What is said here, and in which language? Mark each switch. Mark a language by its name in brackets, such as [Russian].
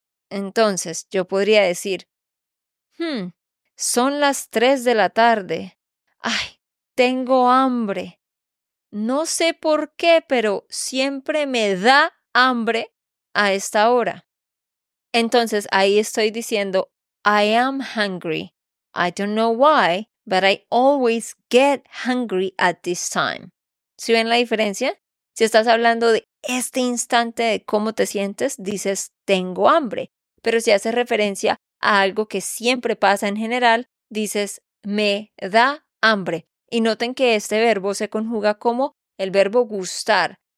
[Spanish] Entonces, yo podría decir, son las 3 de la tarde. Ay, tengo hambre. No sé por qué, pero siempre me da hambre a esta hora. Entonces, ahí estoy diciendo, [English] I am hungry. I don't know why, but I always get hungry at this time. [Spanish] ¿Sí ven la diferencia? Si estás hablando de este instante de cómo te sientes, dices, tengo hambre. Pero si haces referencia a algo que siempre pasa en general, dices, me da hambre. Y noten que este verbo se conjuga como el verbo gustar.